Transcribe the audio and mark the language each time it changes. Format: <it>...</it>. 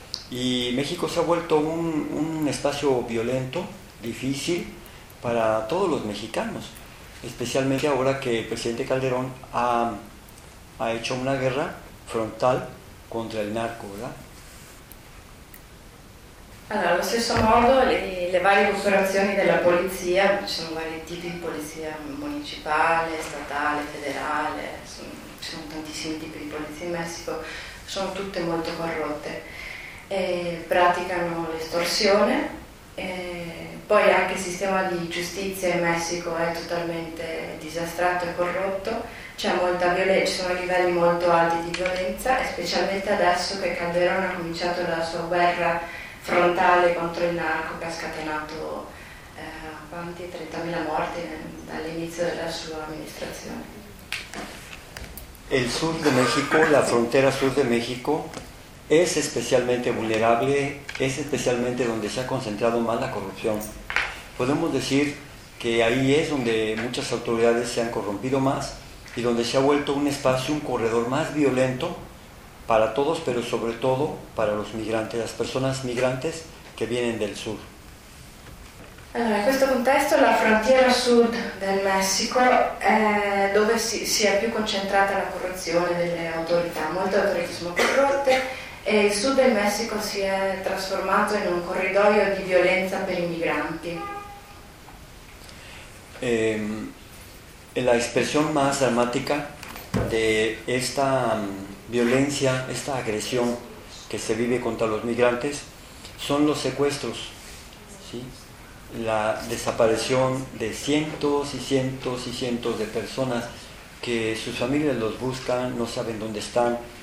<es>y México se ha vuelto un espacio violento, difícil para todos los mexicanos, especialmente ahora que el presidente Calderón ha hecho una guerra frontal</es> <it>contro il narco,</it> <es>¿verdad?</es> <it>Allora, allo stesso modo le varie corporazioni della polizia, ci sono vari tipi di polizia municipale, statale, federale, ci sono tantissimi tipi di polizia in Messico, sono tutte molto corrotte, praticano l'estorsione, poi anche il sistema di giustizia in Messico è totalmente disastrato e corrotto. C'è molta violenza, ci sono livelli molto alti di violenza, specialmente adesso che Calderón ha cominciato la sua guerra frontale contro il narco, che ha scatenato 30.000 morti dall'inizio della sua amministrazione. Il sud di México, la frontera sud di México, è specialmente vulnerabile, è specialmente dove si è concentrato più la corruzione.</it> <es>Podemos decir che ahí è dove muchas autoridades se han corrompido más. Y donde se ha vuelto un espacio, un corredor más violento para todos, pero sobre todo para los migrantes, las personas migrantes que vienen del sur.</es> <it>Allora, in questo contesto la frontiera sud del Messico è dove si è più concentrata la corruzione delle autorità, molte autorità sono corrotte e il sud del Messico si è trasformato in un corridoio di violenza per i migranti.</it> <es>La expresión más dramática de esta violencia, esta agresión que se vive contra los migrantes, son los secuestros, ¿sí? La desaparición de cientos y cientos y cientos de personas que sus familias los buscan, no saben dónde están,</es>